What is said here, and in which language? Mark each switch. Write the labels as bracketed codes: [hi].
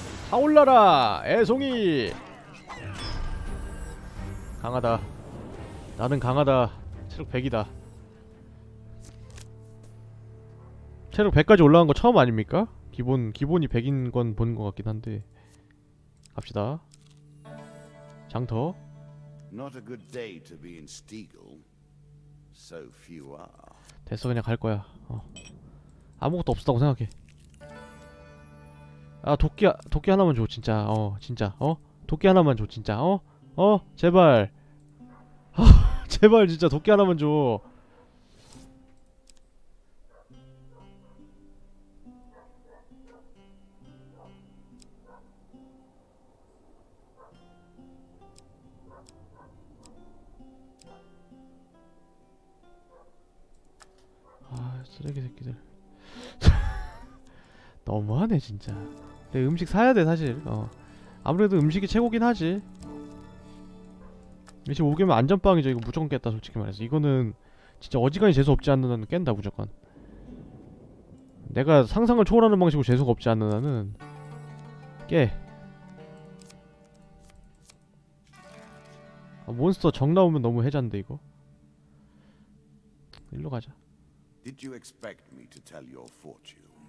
[ko] 타올라라 애송이. 강하다. 나는 강하다. 체력 100이다. 체력 100까지 올라간 거 처음 아닙니까? 기본이 100인 건 본 것 같긴 한데. 갑시다. 장터. [en] Not a good day to be in Steagle. So few are. [ko] 됐어 그냥 갈 거야. 아무것도 없었다고 생각해. 아 도끼 하나만 줘 진짜. 어 진짜 어 도끼 하나만 줘 진짜. 어 제발. 제발 진짜 도끼 하나만 줘. 쓰레기 새끼들. 너무하네 진짜. 내 음식 사야 돼 사실. 아무래도 음식이 최고긴 하지. 이제 5개면 안전빵이죠. 이거 무조건 깼다 솔직히 말해서. 이거는 진짜 어지간히 재수 없지 않는 한은 깬다 무조건. 내가 상상을 초월하는 방식으로 재수가 없지 않는 한은 깨. 아, 몬스터 적 나오면 너무 해잔데 이거. 일로 가자. [en] Did you expect me to tell your fortune?